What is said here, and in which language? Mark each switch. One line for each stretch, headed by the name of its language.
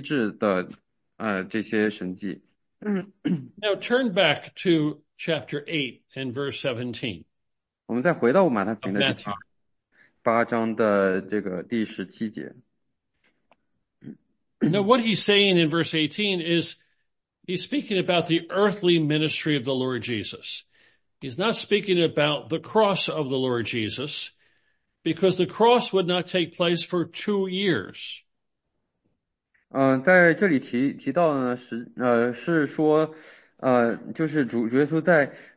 Chinese: 我们其实可以看到，这里并没有提到说是十字架，在十字架是提到在53章的比较后面的部分，然后这里实际上是提到是主耶稣在地上的这个事工，他去做医治的这些神迹。
English: Now turn back to chapter 8 and verse 17
Chinese: 我们再回到马太福音
English: of
Chinese: 的第八。
English: Matthew.
Chinese: 8章的这个第17节。
English: Now what he's saying in verse 18 is he's speaking about the earthly ministry of the Lord Jesus. He's not speaking about the cross of the Lord Jesus because the cross would not take place for 2 years.
Chinese: 在这里提到呢，是说，就是主耶稣在。